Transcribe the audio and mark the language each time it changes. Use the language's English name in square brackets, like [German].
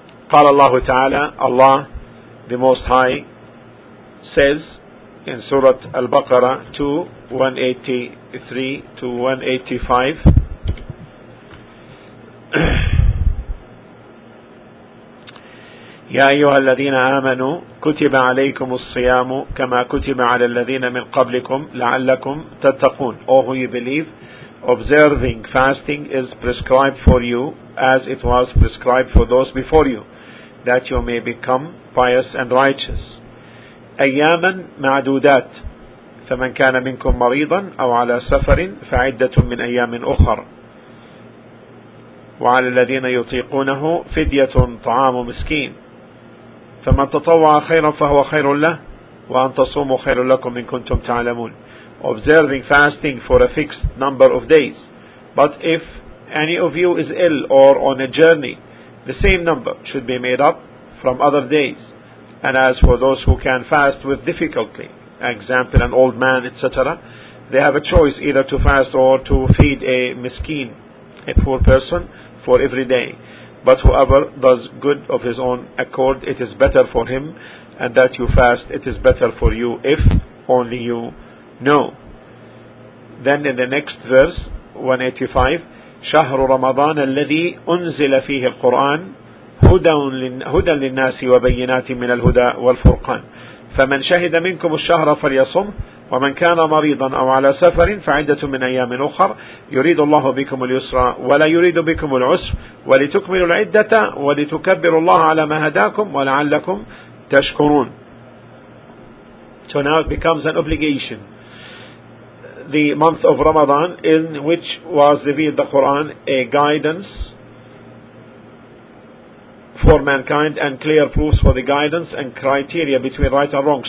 [Arabic] قال الله تعالى, [English] Allah the Most High says in Surah Al-Baqarah 2:183-185, [Arabic] يَا أَيُّهَا الَّذِينَ آمَنُوا كُتِبَ عَلَيْكُمُ الصِّيَامُ كَمَا كُتِبَ عَلَى الَّذِينَ مِنْ قَبْلِكُمْ لَعَلَّكُمْ تَتَّقُونَ. [English] All who you believe, observing fasting is prescribed for you as it was prescribed for those before you, that you may become pious and righteous. [Arabic] أياما معدودات, فمن كان منكم مريضا أو على سفر فعدة من أيام أخر, وعلى الذين يطيقونه فدية طعام مسكين, فمن تطوع خيرا فهو خير له, وأن تصوموا خير لكم إن كنتم تعلمون. [English] Observing fasting for a fixed number of days, but if any of you is ill or on a journey, the same number should be made up from other days. And as for those who can fast with difficulty, example an old man, etc., they have a choice either to fast or to feed a miskeen, a poor person, for every day. But whoever does good of his own accord, it is better for him, and that you fast, it is better for you, if only you know. Then in the next verse, 185, [Arabic] شهر رمضان الذي أنزل فيه القرآن هدى للناس وبينات من الهدى والفرقان فمن شهد منكم الشهر فليصم ومن كان مريضا أو على سفر فعدة من أيام أخر يريد الله بكم اليسر ولا يريد بكم العسر ولتكملوا العدة ولتكبروا الله على ما هداكم ولعلكم تشكرون. [English] So now it becomes an obligation, the month of Ramadan, in which was revealed the Quran, a guidance for mankind and clear proofs for the guidance and criteria between right and wrong.